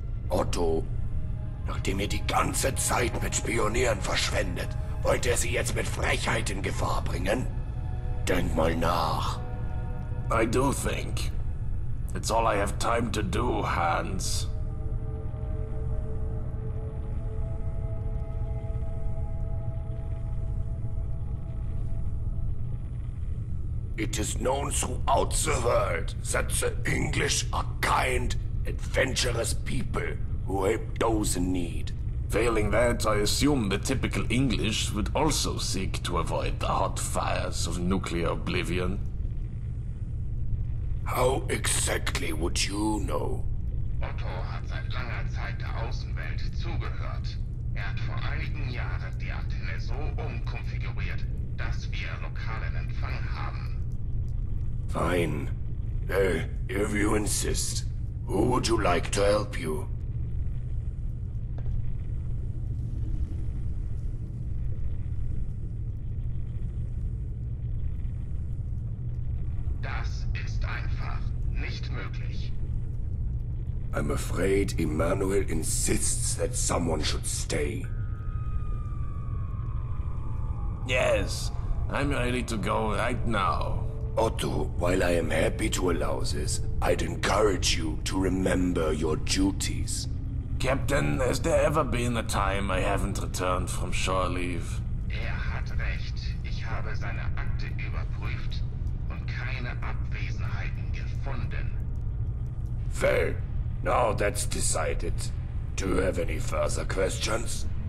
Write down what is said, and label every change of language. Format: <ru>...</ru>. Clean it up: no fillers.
<de>Otto, nachdem ihr die ganze Zeit mit Spionieren verschwendet, wollt ihr sie jetzt mit Frechheit in Gefahr bringen? Denk mal nach.</de> <en>I do think. It's all I have time to do, Hans. It is known throughout the world that the English are kind, adventurous people who help those in need. Failing that, I assume the typical English would also seek to avoid the hot fires of nuclear oblivion. How exactly would you know?</en> <de>Otto hat seit langer Zeit der Außenwelt zugehört. Hat vor einigen Jahren die Antenne so umkonfiguriert, dass wir lokalen Empfang haben.</de> <en>Fine. Well, if you insist, who would you like to help you?</en> <de>Das ist einfach nicht möglich.</de> <en>I'm afraid Emmanuel insists that someone should stay. Yes, I'm ready to go right now. Otto, while I am happy to allow this, I'd encourage you to remember your duties. Captain, has there ever been a time I haven't returned from shore leave?</en> <de>Hat recht. Ich habe seine Akte überprüft und keine Abwesenheiten gefunden.</de> <en>Well, now that's decided. Do you have any further questions?</en>